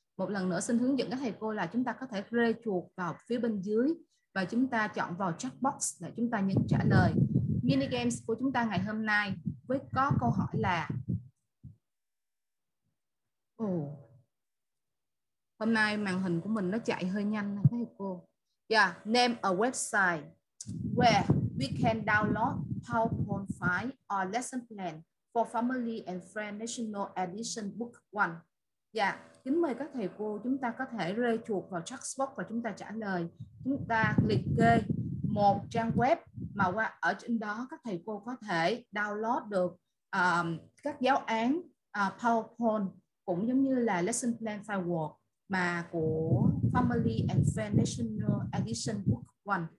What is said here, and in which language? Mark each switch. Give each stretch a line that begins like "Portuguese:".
Vietnamese: Một lần nữa xin hướng dẫn các thầy cô là chúng ta có thể rê chuột vào phía bên dưới và chúng ta chọn vào chat box để chúng ta nhấn trả lời. Mini games của chúng ta ngày hôm nay với có câu hỏi là hôm nay màn hình của mình nó chạy hơi nhanh các thầy cô.
English: Yeah, name a website where we can download PowerPoint file or lesson plan for family and friend national edition book 1.
Vietnamese: Dạ, kính mời các thầy cô chúng ta có thể rê chuột vào chat box và chúng ta trả lời. Chúng ta liệt kê một trang web mà qua ở trên đó các thầy cô có thể download được các giáo án PowerPoint cũng giống như là lesson plan firework mà của family and friend national edition book 1.